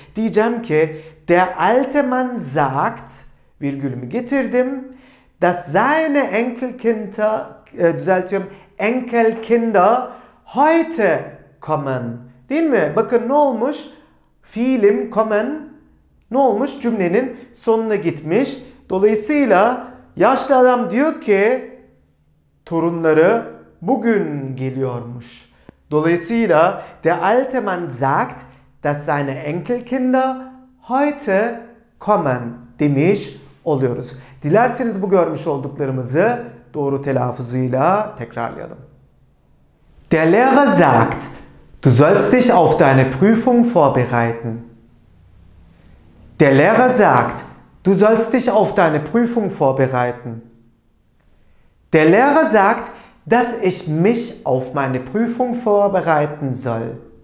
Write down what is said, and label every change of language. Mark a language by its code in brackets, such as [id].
[tr] Diyeceğim ki [de] der alte Mann sagt, [tr] virgülümü getirdim, [de] dass seine Enkelkinder, [tr] düzeltiyorum, [de] Enkelkinder heute kommen. [tr] Değil mi? Bakın ne olmuş? Fiilim kommen ne olmuş? Cümlenin sonuna gitmiş. Dolayısıyla yaşlı adam diyor ki torunları bugün geliyormuş. Dolayısıyla [de] der alte Mann sagt, dass seine Enkelkinder heute kommen [tr] demiş oluyoruz. Dilerseniz bu görmüş olduklarımızı doğru telaffuzuyla tekrarlayalım. [de] Der Lehrer sagt, du sollst dich auf deine Prüfung vorbereiten. Der Lehrer sagt, du sollst dich auf deine Prüfung vorbereiten. Der Lehrer sagt, dass ich mich auf meine Prüfung vorbereiten soll.